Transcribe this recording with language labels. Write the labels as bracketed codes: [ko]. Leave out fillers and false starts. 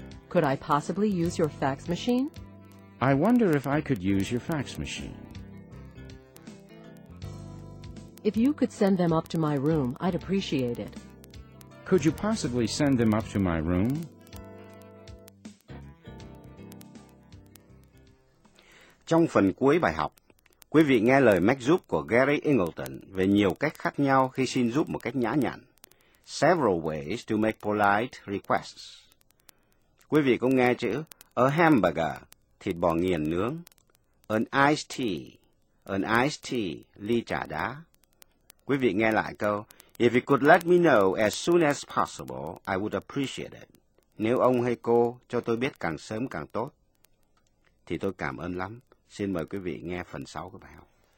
[en] Could I possibly use your fax machine? I wonder if I could use your fax machine. If you could send them up to my room, I'd appreciate it. Could you possibly send them up to my room? [vi] Trong phần cuối bài học, quý vị nghe lời mách giúp của Gary Ingleton về nhiều cách khác nhau khi xin giúp một cách nhã nhặn. [en] Several ways to make polite requests. [vi] Quý vị cũng nghe chữ a hamburger, thịt bò nghiền nướng. [en] An iced tea, [vi] ly trà đá. Quý vị nghe lại câu, [en] if you could let me know as soon as possible, I would appreciate it. [vi] Nếu ông hay cô cho tôi biết càng sớm càng tốt, thì tôi cảm ơn lắm. Xin mời quý vị nghe phần 6 của bài học.